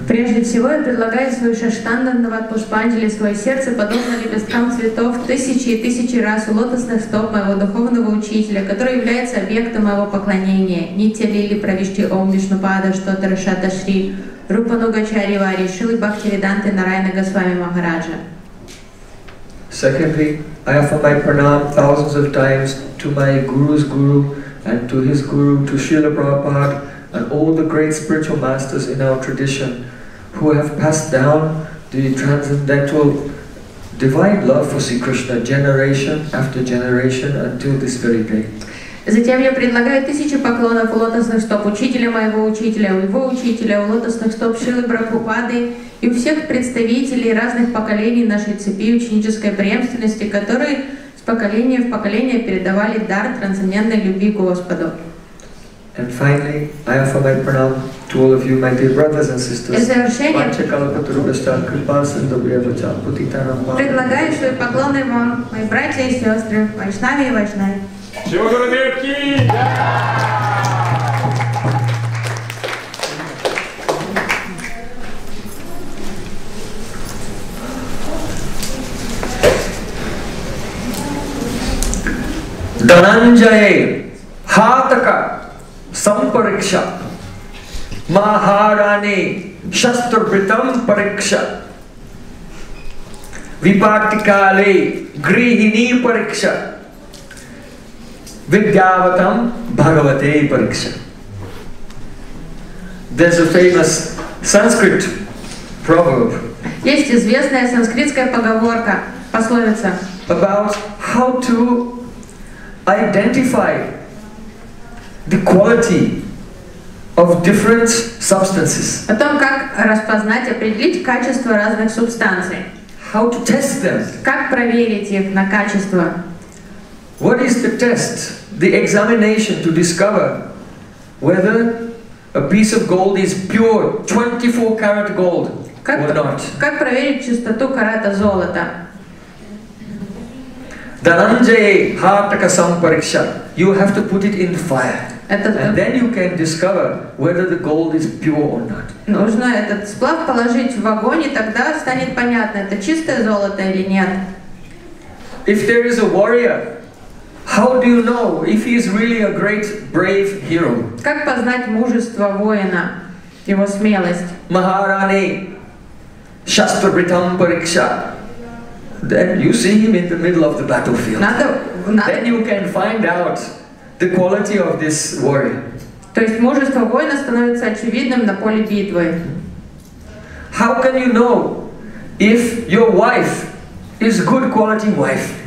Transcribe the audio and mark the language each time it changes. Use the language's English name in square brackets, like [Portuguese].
[Russian] Прежде всего я предлагаю свою шаштанду на ват Пушпанджали, свое сердце, подобно лепесткам цветов, тысячи и тысячи раз у лотосных стоп моего духовного учителя, который является объектом моего поклонения. [Sanskrit] Нитья лили правишти ом Вишнупада, что тарашата шри, рупанугачари вари, шилы бхактивиданты Нарайана Госвами Махараджа. [English] Secondly, I offer my pranam thousands of times to my guru's guru and to his guru, to Srila Prabhupada, and all the great spiritual masters in our tradition who have passed down the transcendental divine love for Sri Krishna generation after generation until this very day. [Russian] Затем я предлагаю тысячи поклонов у лотосных стоп учителя моего учителя, у его учителя, у лотосных стоп Шилы Прабхупады и у всех представителей разных поколений нашей цепи ученической преемственности, которые с поколения в поколение передавали дар трансцендентной любви к Господу. [English] And finally, I offer my pranam to all of you, my dear brothers and sisters. [Sanskrit] Dananjaye Hataka Sampariksha Maharani Shastrabritam Pariksha Vipartikale Grihini Pariksha Vidyavatam Bhagavate Pariksha. [English] There's a famous Sanskrit proverb. [Russian] Есть известная санскритская поговорка, пословица. [English] About how to identify the quality of different substances. [Russian] О том, как распознать, определить качество разных субстанций. [English] How to test them? [Russian] Как проверить их на качество? [English] What is the test, the examination to discover whether a piece of gold is pure 24 karat gold or not? [Russian] Как проверить чистоту карата золота? [Sanskrit] Dananjaye Hataka Sampariksha. [English] You have to put it in the fire. And then you can discover whether the gold is pure or not. [Russian] Нужно этот сплав положить в огонь, и тогда станет понятно, это чистое золото или нет. [English] If there is a warrior, how do you know if he is really a great, brave hero? [Russian] Как познать мужество воина, его смелость? [Sanskrit] Maharani Shastrabritam Pariksha. [English] Then you see him in the middle of the battlefield. Then you can find out the quality of this warrior. [Russian] То есть мужество воина становится очевидным на поле битвы. [English] How can you know if your wife is good quality wife?